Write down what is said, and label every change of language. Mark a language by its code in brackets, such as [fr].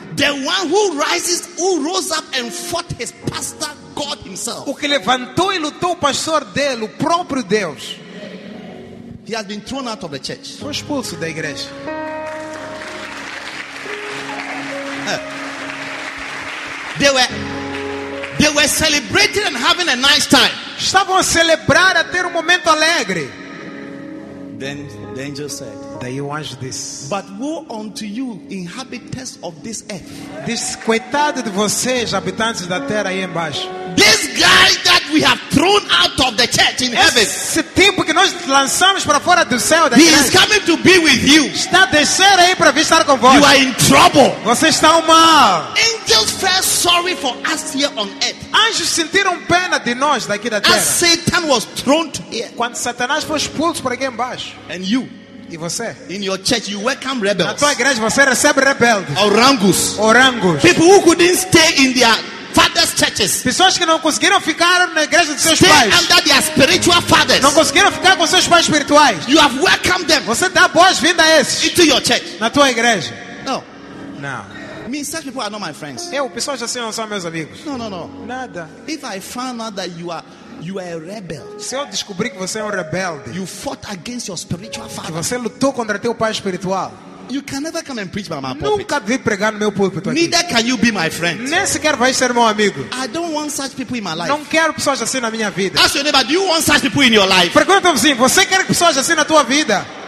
[en] The one who rises, who rose up and fought his pastor, God himself. [pt] O que levantou e lutou o pastor dele, o próprio Deus. [en] He has been thrown out of the church. [pt] Foi expulso da igreja. [en] They were celebrating and having a nice time. [pt] Estavam a celebrar, a ter um momento alegre. [en] Then the angel said, that you watch this. But woe unto you, inhabitants of this earth. [pt] Diz, coitado de vocês, habitantes da terra aí embaixo. [en] This guy that we have thrown out of the church in heaven. [pt] Esse tipo que nós lançamos para fora do céu. [en] He is coming to be with you. [pt] Está descendo aí para vir estar com vós. [en] You are in trouble. [pt] Vocês estão mal. [en] Angels felt sorry for us here on earth. [pt] Anjos sentiram pena de nós daqui da terra. [en] As Satan was thrown here. [pt] Quando Satanás foi expulso para aqui embaixo. [en] And you. [pt] E você? [en] In your church, you welcome rebels. [pt] Na tua igreja você recebe rebeldes. Orangos. Orangos. [en] People who couldn't stay in their fathers' churches. [pt] Pessoas que não conseguiram ficar na igreja de seus [en] stay [pt] pais. [en] Under their spiritual fathers. [pt] Não conseguiram ficar com seus pais espirituais. [en] You have welcomed them. [pt] Você dá boas-vindas a esses. [en] Into your church. [pt] Na tua igreja. [en] No. No. Me, such people are not my friends. [pt] Eu, pessoas assim não são meus amigos. [en] No, no, no. [pt] Nada. [en] If I found out that you are a rebel. [pt] Se eu descobrir que você é um rebelde. [en] You fought against your spiritual father. [pt] Que você lutou contra teu pai espiritual. [en] You can never come and preach by my pulpit. [pt] Nunca vi pregar no meu púlpito aqui. [en] Neither can you be my friend. [pt] Nem sequer vai ser meu amigo. [en] I don't want such people in my life. [pt] Não quero pessoas assim na minha vida. [en] Ask your neighbor, do you want such people in your life? [pt] Pergunta ao vizinho, você quer pessoas assim na tua vida?